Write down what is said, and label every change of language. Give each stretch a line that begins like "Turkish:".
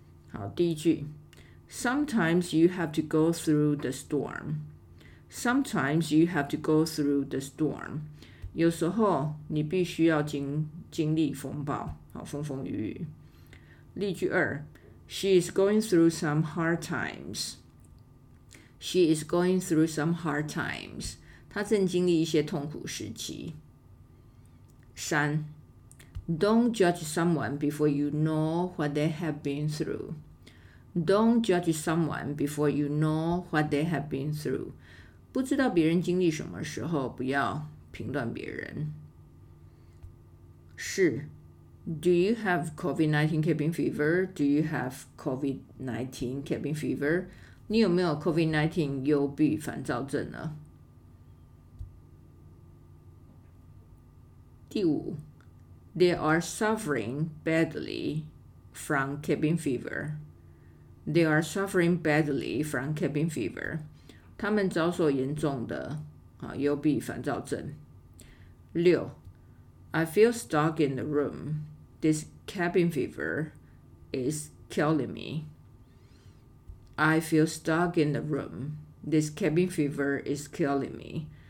Chinese: 好，第一句
English: Sometimes you have to go through the storm， Sometimes you have to go through the storm，
Chinese: 有时候你必须要 经历风暴，好，风风雨雨。例句二
English: She is going through some hard timesShe is going through some hard times.
Chinese: 她正经历一些痛苦时期。
English: 三 Don't judge someone before you know what they have been through. Don't judge someone before you know what they have been through.
Chinese: 不知道别人经历什么时候，不要评断别人。
English: 四 Do you have COVID-19 cabin fever? Do you have COVID-19 cabin fever?
Chinese: 你有没有 COVID-19 幽闭烦躁症呢？第五
English: They are suffering badly from cabin fever. They are suffering badly from cabin fever.
Chinese: 他们遭受严重的幽闭烦躁症。
English: 六 I feel stuck in the room. This cabin fever is killing me. I feel stuck in the room. This cabin fever is killing me.